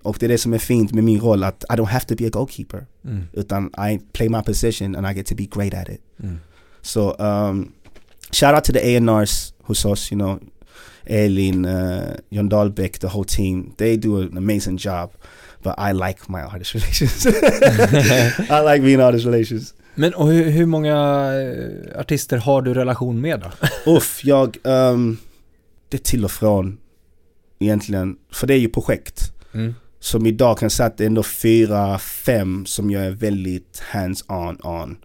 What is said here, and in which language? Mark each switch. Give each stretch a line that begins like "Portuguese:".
Swedish: Och det är det som är fint med min roll, att
English: I don't have to be a goalkeeper. Utan I play my position and I get to be great at it. So, shout out to the A&Rs
Swedish: hos oss,
English: you know, Elin, John Dahlbeck, the whole team. They do an amazing job. But I like my artist relations. I like being artist relations.
Swedish: Men och hur många artister har du relation med då? Uff, jag... det är till och från egentligen. För det är ju projekt. Mm. Som idag kan säga att det är ändå 4-5 som jag är väldigt hands-on on.